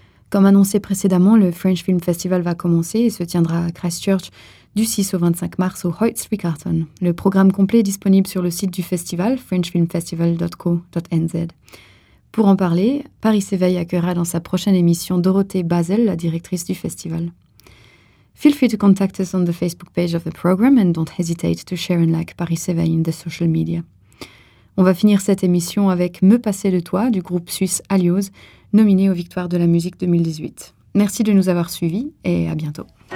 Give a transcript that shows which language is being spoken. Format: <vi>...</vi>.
<fr>Comme annoncé précédemment, le French Film Festival va commencer et se tiendra à Christchurch du 6 au 25 mars au Hoyt Swickarton. Le programme complet est disponible sur le site du festival, frenchfilmfestival.co.nz. Pour en parler, Paris s'éveille accueillera dans sa prochaine émission Dorothée Basel, la directrice du festival.</fr> <en>Feel free to contact us on the Facebook page of the program and don't hesitate to share and like Paris s'éveille in the social media.</en> <fr>On va finir cette émission avec Me passer de toi du groupe suisse Alios, nominé aux Victoires de la Musique 2018. Merci de nous avoir suivis et à bientôt.</fr>